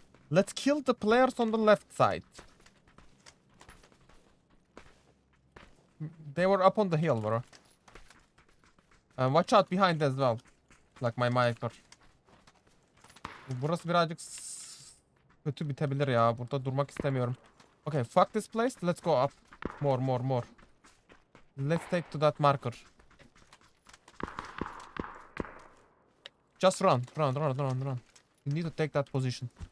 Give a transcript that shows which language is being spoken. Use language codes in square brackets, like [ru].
[en] Let's kill the players on the left side. They were up on the hill, bro. And watch out behind as well. Like my marker. [tr] Burası birazcık kötü bitebilir ya. Burada durmak istemiyorum. [en] Okay, fuck this place. Let's go up. More. Let's take to that marker. Just run. You need to take that position.